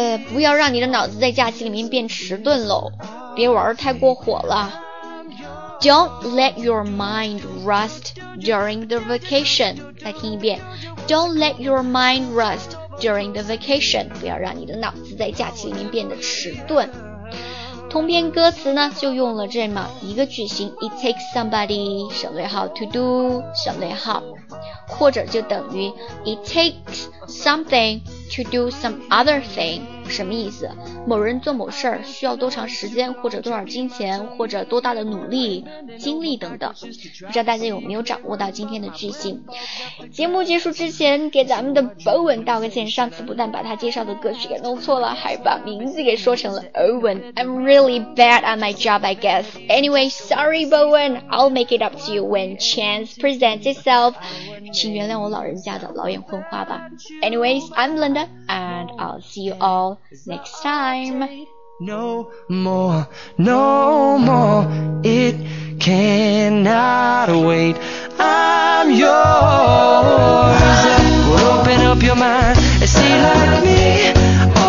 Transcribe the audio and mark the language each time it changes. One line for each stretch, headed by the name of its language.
Chinese: 不要让你的脑子在假期里面变迟钝喽别玩太过火了
English: Don't let your mind rust during the vacation.
Chinese: 再听一遍。
English: Don't let your mind rust during the vacation.
Chinese: 不要让你的脑子在假期里面变得迟钝。通篇歌词呢就用了这么一个句型
English: It takes somebody
Chinese: 省略号
English: to do
Chinese: 省略号，或者就等于
English: It takes something to do some other thing。
Chinese: 什么意思？某人做某事需要多长时间，或者多少金钱，或者多大的努力精力等等。不知道大家有没有掌握到今天的句型。节目结束之前给咱们的 Bowen 道个歉，上次不但把他介绍的歌曲给弄错了，还把名字给说成了 Owen。
English: I'm really bad at my job I guess. Anyway, sorry Bowen, I'll make it up to you when chance presents itself.
Chinese: 请原谅我老人家的老眼昏花吧。
English: Anyways, I'mAnd I'll see you all next time. No more, no more. It cannot wait. I'm yours. Open up your mind and see like me.